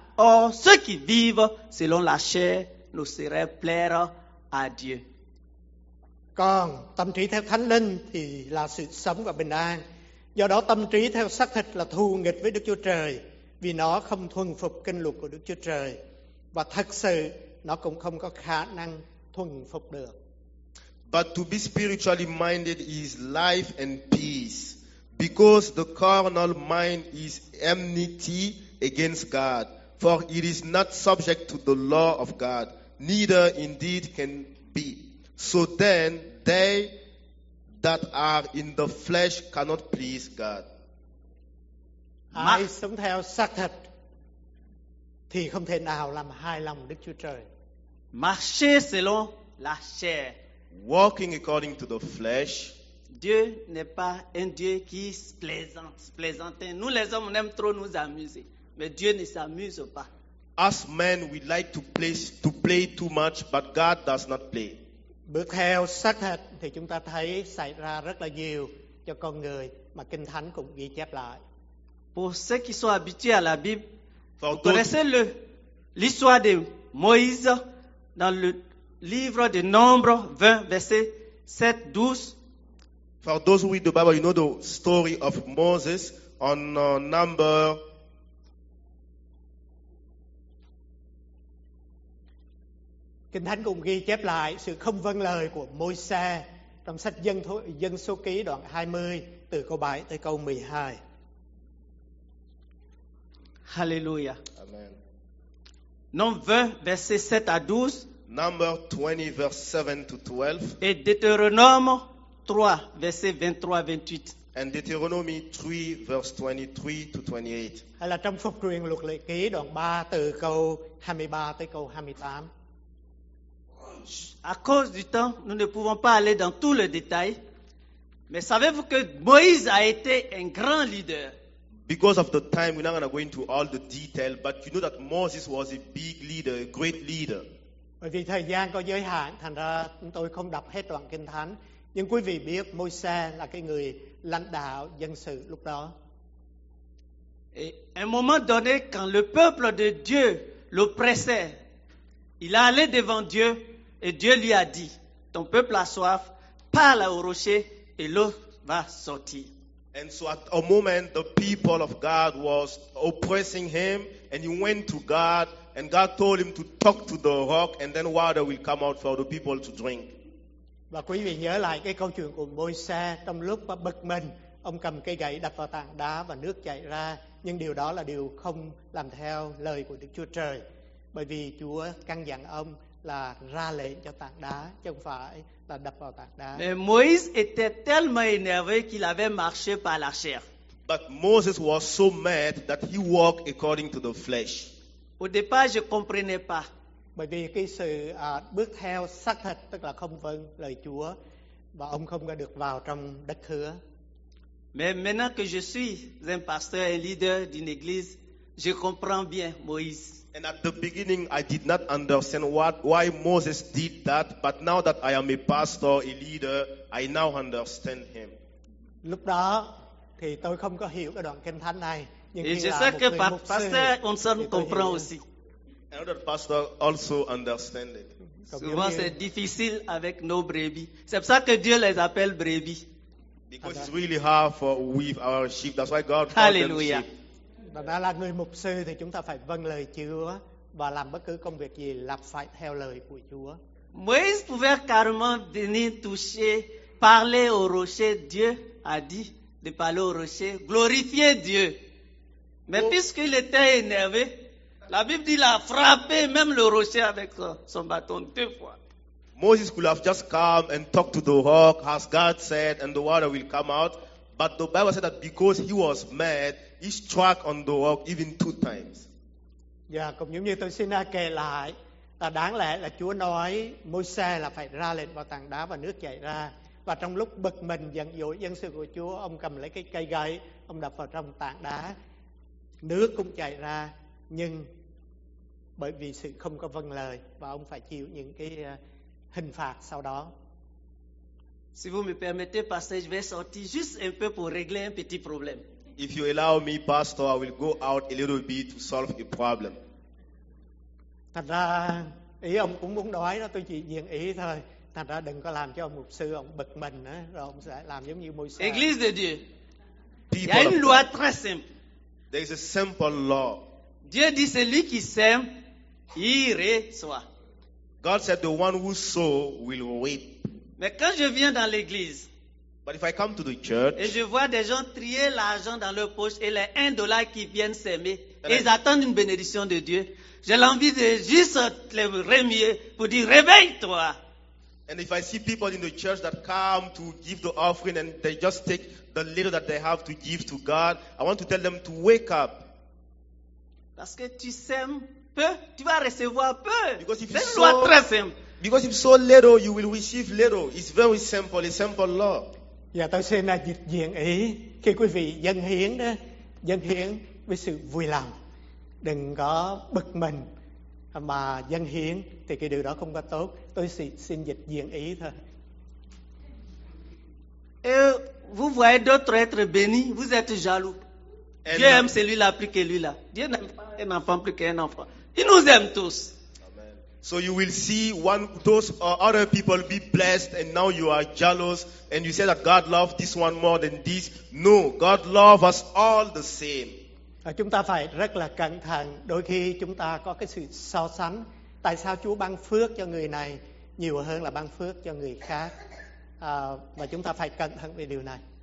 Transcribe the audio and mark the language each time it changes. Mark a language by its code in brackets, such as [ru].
[fr] Or, ceux qui vivent selon la chair ne sauraient plaire à Dieu. [vi] Còn tâm trí theo thánh linh thì là sự sống và bình an. Do đó tâm trí theo xác thịt là thù nghịch với Đức Chúa Trời, vì nó không thuần phục kinh luật của Đức Chúa Trời, và thật sự nó cũng không có khả năng thuần phục được. [en] But to be spiritually minded is life and peace, because the carnal mind is enmity against God, for it is not subject to the law of God, neither indeed can be. So then, they that are in the flesh cannot please God. [vi] Ai sống theo xác thịt thì không thể nào làm hài lòng Đức Chúa Trời. [fr] Marcher selon la chair. [en] Walking according to the flesh. [fr] Dieu n'est pas un Dieu qui plaisante. Nous les hommes, on aime trop nous amuser, mais Dieu ne s'amuse pas. [en] As men, we like to play too much, but God does not play. [vi] Bước theo xác thịt thì chúng ta thấy xảy ra rất là nhiều cho con người mà Kinh Thánh cũng ghi chép lại. [fr] Pour ceux qui sont habitués à la Bible, vous connaissez l'histoire de Moïse dans le livre de Nombre 20, verset 7-12. [en] For those who read the Bible, you know the story of Moses on number... [vi] Kinh Thánh cũng ghi chép lại sự không vâng lời của Môi-se trong sách Dân Số Ký đoạn 20 từ câu 7 tới câu 12. Hallelujah. Amen. [fr] Nombre 20, verset 7 à 12. [en] Number 20, verse 7 to 12. [fr] Et Deutéronome 3, verset 23-28. [en] And Deutéronome 3, verse 23-28. [vi] Hay là trong Phục Truyền Luật Lệ Ký đoạn 3 từ câu 23 tới câu 28. [fr] À cause du temps, nous ne pouvons pas aller dans tout le détail. Mais savez-vous que Moïse a été un grand leader? [en] Because of the time, we're not going to go into all the detail, but you know that Moses was a big leader, a great leader. [vi] Bởi vì thời gian có giới hạn, thành ra tôi không đọc hết đoạn Kinh Thánh. Nhưng quý vị biết Môi-se là cái người lãnh đạo dân sự lúc đó. [fr] Et un moment donné, quand le peuple de Dieu l'oppressait, il allait devant Dieu. Et Dieu lui a dit, ton peuple a soif, parle au rocher et l'eau va sortir. [en] And so at a moment, the people of God was oppressing him and he went to God and God told him to talk to the rock and then water will come out for the people to drink. [vi] Và quý vị nhớ lại cái câu chuyện của Môi-se trong lúc mà bực mình, ông cầm cây gậy đập vào tảng đá và nước chảy ra. Nhưng điều đó là điều không làm theo lời của Đức Chúa Trời. Bởi vì Chúa căn dặn ông là ra lệnh cho tảng đá, chứ không phải là đập vào tảng đá. [fr] Mais Moïse était tellement énervé qu'il avait marché par la chair. [en] But Moses was so mad that he walked according to the flesh. [fr] Au départ, je comprenais pas. [vi] Bởi vì cái sự bước theo xác thịt, tức là không vâng lời Chúa, và ông không có được vào trong đất hứa. [fr] Mais maintenant que je suis un pasteur et leader d'une église, je comprends bien Moïse. [en] And at the beginning, I did not understand why Moses did that. But now that I am a pastor, a leader, I now understand him. [vi] Lúc đó, thì tôi không có hiểu cái đoạn kinh thánh này. [en] Another pastor also understand it. [fr] Souvent c'est difficile avec nos brebis. C'est pour ça que Dieu les appelle brebis. [en] Because it's really hard for with our sheep. That's why God called them sheep. [vi] Và đã là người mục sư thì chúng ta phải vâng lời Chúa và làm bất cứ công việc gì là phải theo lời của Chúa. [fr] Moïse pouvait carrément venir toucher, parler au rocher. Dieu a dit de parler au rocher, glorifier Dieu. Mais puisqu'il était énervé, la Bible dit qu'il a frappé même le rocher avec son bâton deux fois. [en] Moses could have just come and talked to the rock, as God said, and the water will come out. But the Bible said that because he was mad, he struck on the rock even two times. [vi] Yeah, cũng giống như tôi xin kể lại, đáng lẽ là Chúa nói Môi-se là phải ra lệnh vào tảng đá và nước chảy ra. Và trong lúc bực mình giận dỗi dân sự của Chúa, ông cầm lấy cái cây gậy, ông đập vào trong tảng đá. Nước cũng chảy ra, nhưng bởi vì sự không có vâng lời và ông phải chịu những cái hình phạt sau đó. [fr] Si vous me permettez, pasteur, je vais sortir juste un peu pour régler un petit problème. [en] If you allow me, pastor, I will go out a little bit to solve a problem. [vi] Thật ra, ý ông cũng muốn nói đó, tôi chỉ diện ý thôi. Thật ra đừng có làm cho ông mục sư ông bực mình nữa, rồi ông sẽ làm giống như Moses. [fr] Église de Dieu. Il y a une loi très simple. [en] There is a simple law. [fr] Dieu dit celui qui sème, il reçoit. [en] God said the one who sow will reap. [fr] Mais quand je viens dans l'église, [en] but if I come to the church, [fr] et je vois des gens trier l'argent dans leur poche et les 1 dollar qui viennent s'aimer, et ils attendent une bénédiction de Dieu, j'ai l'envie de juste les remuer pour dire réveille-toi. [en] And if I see people in the church that come to give the offering and they just take the little that they have to give to God, I want to tell them to wake up. [fr] Parce que tu sèmes peu, tu vas recevoir peu. [en] Because if you sow [fr] très simple. [en] Because if sow little, you will receive little. It's very simple, a simple law. [vi] Yeah, tôi xin là dịch diện ý khi quý vị dâng hiến đó, dâng hiến với sự vui lòng, đừng có bực mình mà dâng hiến thì cái điều đó không có tốt. Tôi xin dịch diện ý thôi. [fr] Vous voyez d'autres êtres bénis, vous êtes jaloux. And Dieu aime celui-là plus que lui-là. Dieu n'aime pas un enfant plus qu'un enfant. Il nous aime tous. Amen. [en] So you will see one, those other people be blessed, and now you are jealous, and you say that God loves this one more than this. No, God loves us all the same. [vi] Chúng ta phải rất là cẩn thận. Đôi khi chúng ta có cái sự so sánh. Tại sao Chúa ban phước cho người này nhiều hơn là ban phước cho người khác? Và chúng ta phải cẩn thận về điều này.